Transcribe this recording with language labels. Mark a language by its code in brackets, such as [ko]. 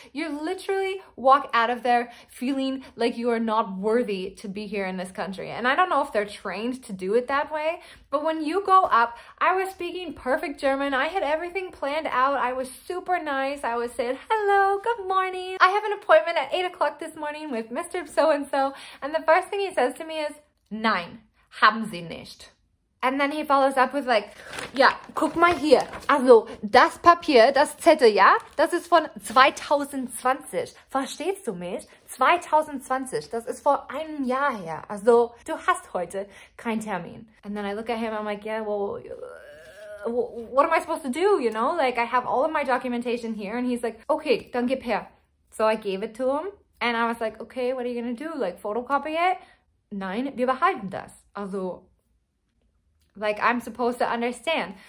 [en] You literally walk out of there feeling like you are not worthy to be here in this country. And I don't know if they're trained to do it that way, but when you go up, I was speaking perfect German. I had everything planned out. I was super nice. I was saying, hello, good morning. I have an appointment at 8 o'clock this morning with Mr. So-and-so. And the first thing he says to me is, [de] nein, haben Sie nicht. [en] And then he follows up with like, [de] ja, guck mal hier. Also, das Papier, das Zettel, ja, das ist von 2020. Verstehst du mich? 2020, das ist vor einem Jahr her. Also, du hast heute keinen Termin. [en] And then I look at him, I'm like, yeah, well, what am I supposed to do, you know? Like, I have all of my documentation here. And he's like, okay, [de] dann gib her. [en] So I gave it to him. And I was like, okay, what are you gonna do? Like, photocopy it? [de] Nein, wir behalten das. Also, [en] like, I'm supposed to understand.